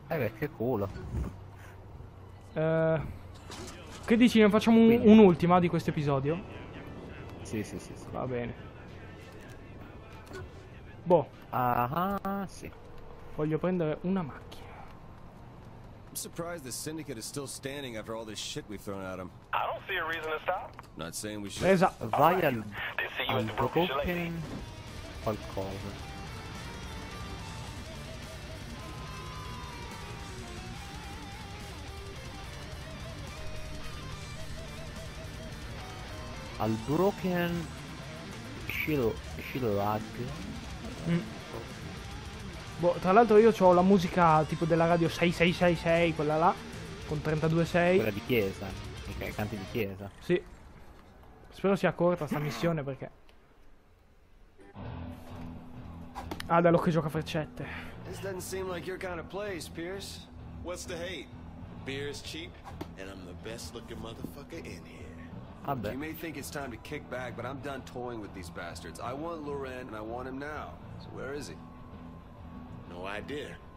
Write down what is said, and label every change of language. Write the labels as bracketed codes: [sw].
[it] Che culo. Che dici, ne facciamo un'ultima di questo episodio? Sì. Va bene. Boh. Ah, sì. Voglio prendere una macchina. [en] I'm surprised the syndicate is still standing after all this shit we've thrown at him. I don't see a reason to stop. Not saying we should. [it] Presa. Vai al broken qualcosa. al Broken Shield Lag. Boh, tra l'altro io ho la musica tipo della radio 6666, quella là, con 32.6. Quella di chiesa, okay, canti di chiesa. Sì. Spero sia corta sta missione, perché... Ah, dallo che gioca freccette. [en] This doesn't seem like your kind of place, Pierce. What's the hate? Beer is cheap, and I'm the best looking motherfucker in here. [it] Vabbè. [en] You may think it's time to kick back, but I'm done toying with these bastards. I want Loren, and I want him now. So where is he? No idea.